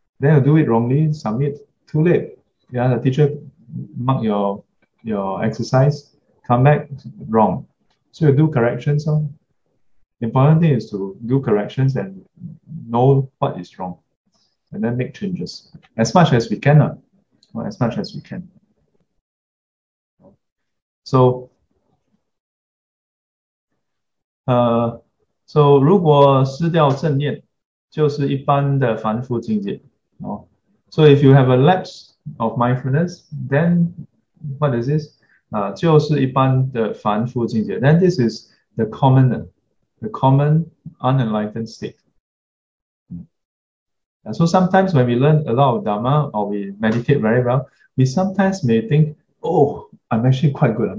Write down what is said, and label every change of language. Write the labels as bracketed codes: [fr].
[en] Then you do it wrongly, submit, too late. Yeah, the teacher mark your exercise, come back wrong. So you do corrections. So the important thing is to do corrections and know what is wrong, and then make changes as much as we can. As much as we can. [zh] So, 如果失掉正念，就是一般的凡夫境界. [en] So if you have a lapse of mindfulness, then what is this? [zh] 就是一般的凡夫境界. [en] Then this is the common unenlightened state. And so sometimes when we learn a lot of Dharma or we meditate very well, we sometimes may think, oh, I'm actually quite good.